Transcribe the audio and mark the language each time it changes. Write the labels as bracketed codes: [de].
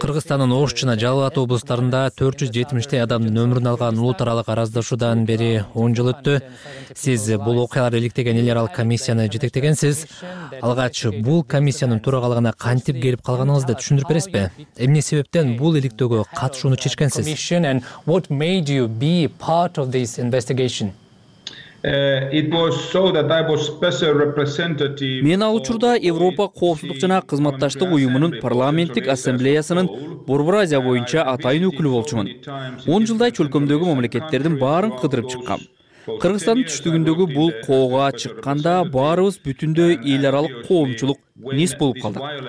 [ky] Кыргызстандын Ош жана Жалал-Абад облустарында 470 адамдын өмүрүн алган улутаралык араздашуудан бери 10 жыл өттү. Сиз бул окуяларды иликтеген эл аралык комиссияны жетектегенсиз. Алгач бул комиссиянын төрагалыгына кантип келип калганыңызды түшүндүрүп бересизби? Эмне себептен бул иликтөөгө катышууну чечкенсиз? [en] And what made you be part of this investigation? It was so that I was special representative. [ky] Мен ал учурда Европа коопсуздук жана кызматташтык уюмунун парламенттик ассамблеясынын Борбор Азия боюнча атайын өкүлү болчумун. 10 жылдай чөлкөмдөгү мамлекеттердин баарын кыдырып чыккам. Кыргызстандын түштүгүндөгү бул кооуга чыкканда баарыбыз бүтүндөй эл аралык коомчулук низ болуп калдык.